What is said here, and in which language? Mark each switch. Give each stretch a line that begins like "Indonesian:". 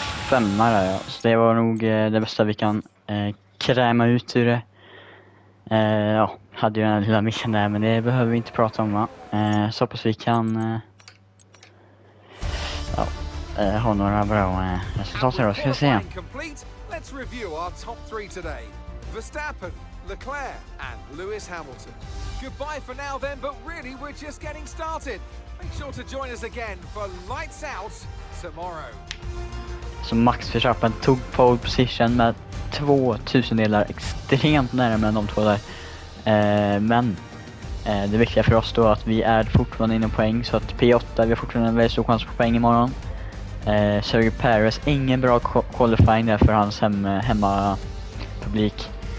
Swedish: Femma där, ja. Så det var nog det bästa vi kan kräma ut ur det. Ja, hade ju den här lilla micken där, men det behöver vi inte prata om, va? Så hoppas vi kan ha några bra resultat här då. Ska vi se.
English: Let's review our top three today. Verstappen, Leclerc and Lewis Hamilton. Goodbye for now then, but really we're just getting started. Make sure to join us again for Lights Out tomorrow.
Swedish: Så Max Verstappen tog pole position med 2000-delar extremt nära med de två där. Men det viktiga för oss då att vi är fortfarande inom poäng. Så att P8, vi har fortfarande en väldigt stor chans på poäng imorgon. Sergio Perez, ingen bra qualifying där för hans hemma publik.